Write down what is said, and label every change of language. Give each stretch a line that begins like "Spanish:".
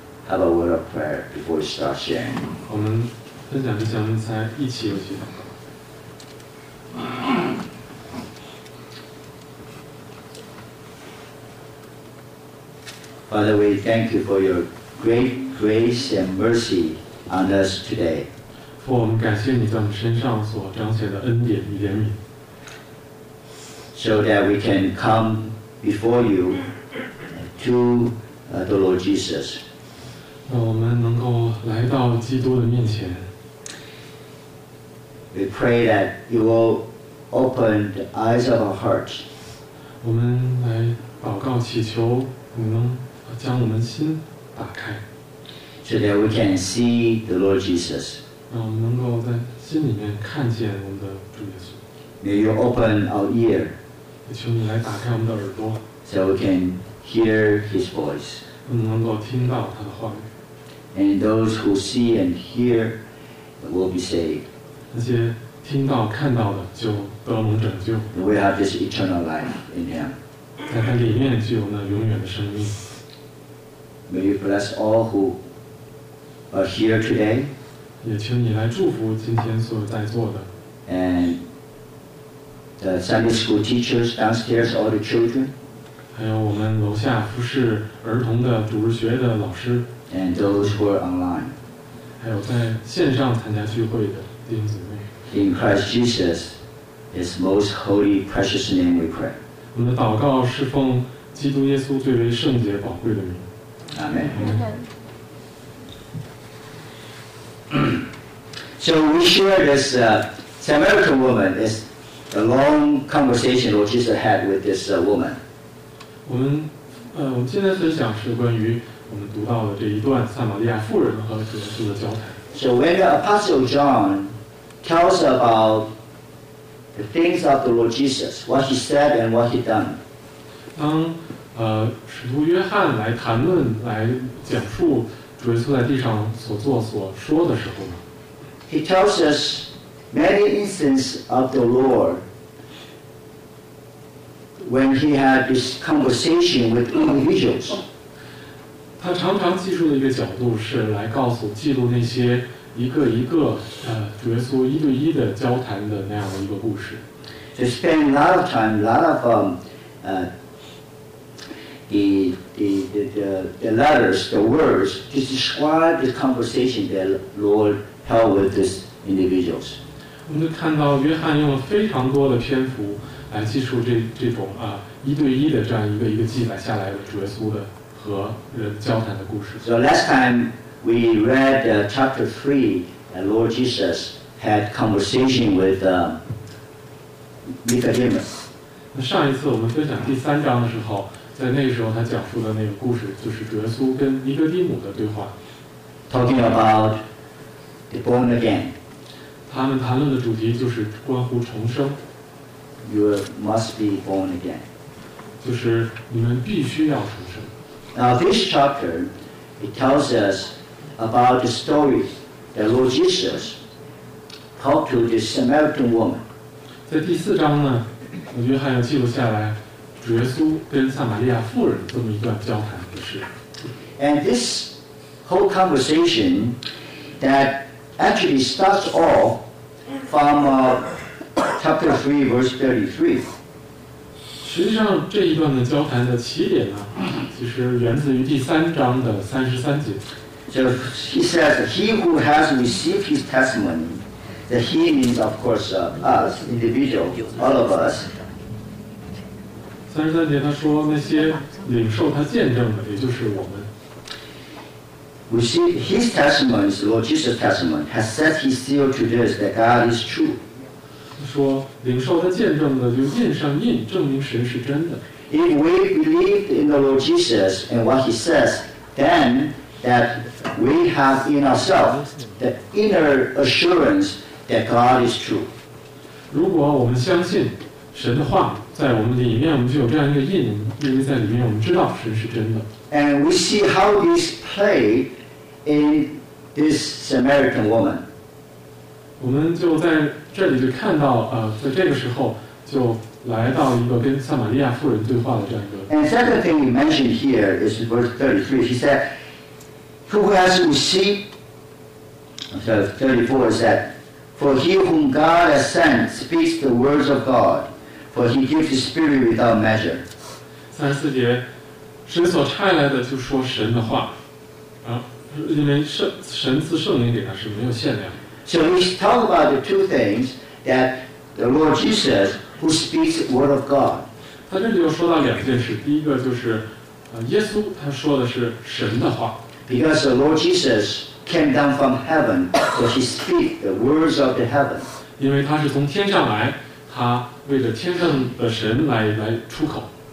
English: Have a word of prayer before we start sharing.
Chinese: 我们分享一下，我们才一起有祈祷。
English: Father, we thank you for your great grace and mercy on us today.
Chinese: 父，我们感谢你在我们身上所彰显的恩典与怜悯。
English: So that we can come before you to the Lord Jesus.
Chinese: 让我们能够来到基督的面前。
English: We pray that you will open the eyes of our hearts.
Chinese: 我们来祷告祈求你能将我们心打开。
English: So that we can see the Lord Jesus.
Chinese: 让我们能够在心里面看见我们的主耶稣。
English: May you open our ear.
Chinese: 也求你来打开我们的耳朵。
English: So we can hear his voice.
Chinese: 我们能够听到他的话语。
English: And those who see and hear will be saved.
Chinese: 那些听到看到的就得蒙拯救。
English: We have this eternal life in Him.
Chinese: 在他里面具有那永远的生命。
English: May you bless all who are here today.
Chinese: 也请你来祝福今天所有在座的。
English: And the Sunday school teachers downstairs, all the children.
Chinese: 还有我们楼下服侍儿童的主日学的老师。
English: And those who are online.
Chinese: 还有在线上参加聚会的。
English: In Christ Jesus, His most holy, precious name we pray.
Chinese: 我们的祷告是奉基督耶稣最为圣洁宝贵的名。
English: Amen. So we share this Samaritan woman. This a long conversation Lord Jesus had with this woman.
Chinese: 我们今天分享是关于我们读到的这一段撒玛利亚妇人和主耶稣的交谈。
English: So when the Apostle John tells about the things of the Lord Jesus, what he said and what he done.
Chinese: 当使徒约翰来谈论、来讲述主耶稣在地上所做、所说的时候呢
English: ，He tells us many instances of the Lord when he had this conversation with individuals.
Chinese: 他常常记述的一个角度是来告诉、记录那些。一个一个，主耶稣一对一的交谈的那样的一个故事。
English: They spend a lot of time, a lot of the letters, the words to describe the conversation that Lord held with these individuals.
Chinese: 我们看到约翰用了非常多的篇幅来记述这种一对一的这样一个一个记载下来的主耶稣的和人交谈的故事。
English: So last time. We read chapter 3, and Lord Jesus had conversation with Nicodemus.
Chinese: 上一次我们分享第三章的时候，在那个时候他讲述的那个故事，就是主耶稣跟尼哥底母的对话。
English: Talking about the born again.
Chinese: 他们谈论的主题就是关乎重生。
English: You must be born again.
Chinese: 就是你们必须要重生。
English: Now this chapter, it tells us. About the story that Lord Jesus talked to this Samaritan woman.
Chinese: 在第四章呢，我约翰要记录下来主耶稣跟撒玛利亚妇人这么一段交谈的事。
English: And this whole conversation that actually starts off from chapter 3, verse 33.
Chinese: 实际上，这一段的交谈的起点呢，其实源自于第三章的33节。
English: So he says, he who has received his testimony, that he means, of course, us, individual, all of us.
Chinese: 33节他说那些领受他见证的也就是我们。
English: We see his testimony, Lord Jesus' testimony, has set his seal to this, that God is true.
Chinese: 他说领受他见证的就印上印证明神是真的。
English: If we believe in the Lord Jesus and what he says, then... That we have in ourselves the inner assurance that God is true.
Chinese: 如果我们相信神的话，在我们里面，我们就有这样一个印，因为在里面我们知道神是真的。
English: And we see how this play in this Samaritan woman.
Chinese: 我们就在这里就看到，在这个时候就来到一个跟撒玛利亚妇人对话的这样一个。
English: And second thing he mentioned here is verse 33. He said. Who has received? So 34 is that, for he whom God has sent speaks the words of God, for he gives his spirit without measure.
Chinese: 34节，神所差来的就说神的话，啊，因为神赐圣灵给他是没有限量。
English: So he's talking about the two things that the Lord Jesus, who speaks the word of God.
Chinese: 他这里就说到两件事，第一个就是，耶稣他说的是神的话。
English: Because the Lord Jesus came down from heaven, so he speaks the words of the heaven.
Chinese: 因为他是从天上来，他为着天上的神来出口。